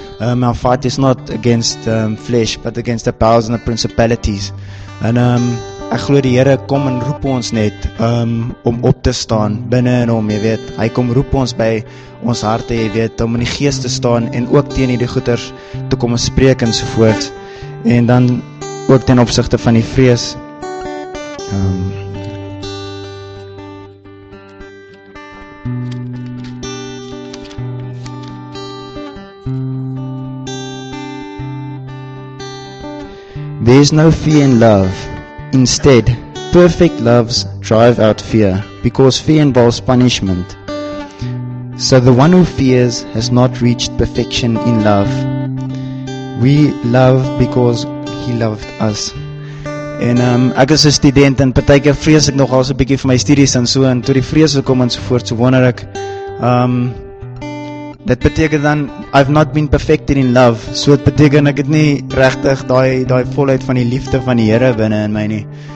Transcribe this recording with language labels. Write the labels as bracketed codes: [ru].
[en] Our fight is not against flesh, but against the powers and the principalities. [af] En ek glo die Here kom en roep ons net om op te staan binne in hom, jy weet. Hy kom roep ons by ons harte, jy weet, om in die gees te staan en ook teen hierdie goeders te kom spreek en so voort. En dan ook ten opsigte van die vrees. [en] There is no fear in love. Instead, perfect loves drive out fear, because fear involves punishment. So the one who fears has not reached perfection in love. We love because he loved us. [af] En ek is 'n student en partykeer vrees ek nogal so 'n bietjie vir my studies en so, en toe die vrees kom en so voort, so wonder ek, dit beteken dan, [en] I've not been perfected in love, [af] so het beteken ek het nie rechtig die volheid van die liefde van die Here binne in my nie.